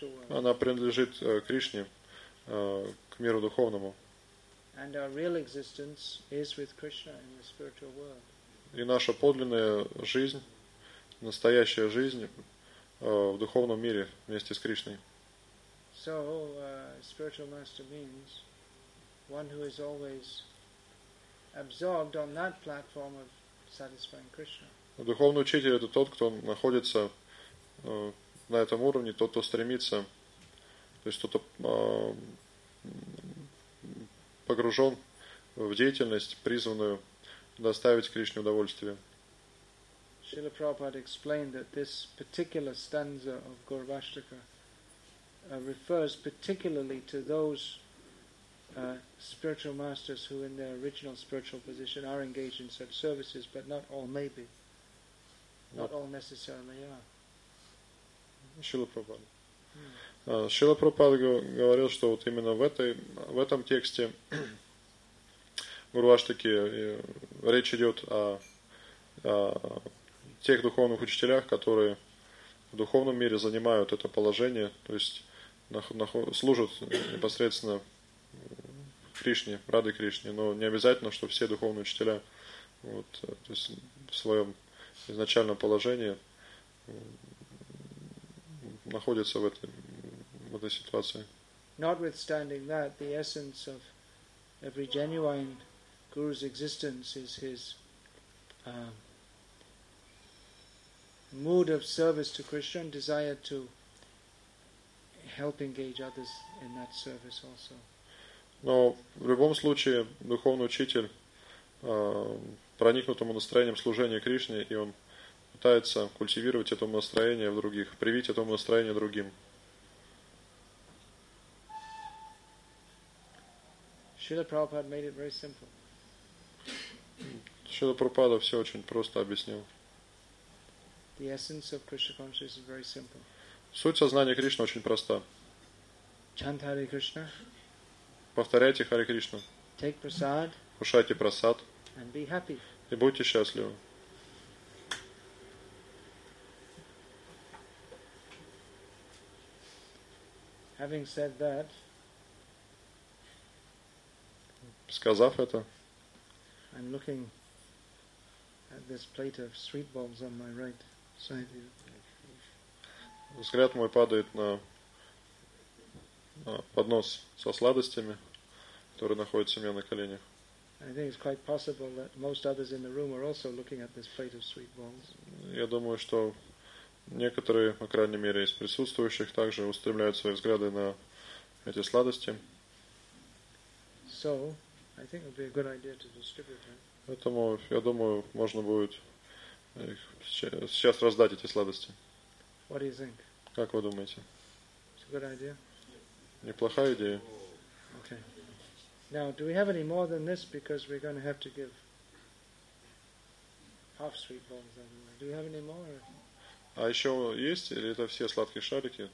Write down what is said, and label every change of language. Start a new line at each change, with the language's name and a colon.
Russian: Она принадлежит Кришне, к миру духовному. И наша подлинная жизнь, настоящая жизнь, в духовном мире вместе с Кришной.
English: So, spiritual master means one who is always absorbed on that platform of satisfying Krishna.
Russian: Духовный учитель — это тот, кто находится на этом уровне, тот, кто стремится, то есть кто-то погружен в деятельность, призванную доставить Кришне удовольствие.
English: Srila Prabhupada explained that this particular stanza of Gaura Vashtaka refers particularly to those spiritual masters who in their original spiritual position are engaged in such services, but not all maybe. Not all necessarily are. Srila Prabhupada.
Russian: Srila Prabhupada говорил, что вот именно в этом тексте Гуру Ваштаки речь идет о тех духовных учителях, которые в духовном мире занимают это положение, то есть служат непосредственно Кришне, Рады Кришне, но не обязательно, что все духовные учителя вот, то есть в своем изначальном положении находятся в этой ситуации.
English: Notwithstanding that, the essence of every genuine guru's existence is his mood of service to Krishna, desire to help engage others in that service also.
Russian: Но в любом случае духовный учитель проникнутому настроением служения Кришне, и он пытается культивировать это настроение в других, привить это настроение другим.
English: Srila Prabhupada made it very simple.
Russian: Srila Prabhupada все очень просто объяснил.
English: The essence of Krishna consciousness is very simple.
Russian: Суть сознания Кришны очень проста.
English: Chant Hare Krishna.
Russian: Повторяйте Харе Кришну.
English: Take prasad.
Russian: Кушайте прасад.
English: And be happy.
Russian: И будьте счастливы.
English: Having said that,
Russian: сказав это,
English: I'm looking at this plate of sweet bombs on my right side here.
Russian: Взгляд мой падает на поднос со сладостями, который находится у меня на коленях.
English: I think it's quite possible that most others in the room are also looking at this plate of sweet bombs.
Russian: Я думаю, что некоторые, по крайней мере, из присутствующих также устремляют свои взгляды на эти сладости.
English: So, I think it would be a good idea to distribute them.
Russian: Поэтому, я думаю, можно будет их сейчас раздать, эти сладости.
English: What do you think?
Russian: Как вы думаете?
English: It's a good idea.
Russian: Неплохая идея.
English: Okay. Now, do we have any more than this? Because we're going to have to give half sweet bombs. Do we have any more?
Russian: А еще есть, или это все сладкие шарики?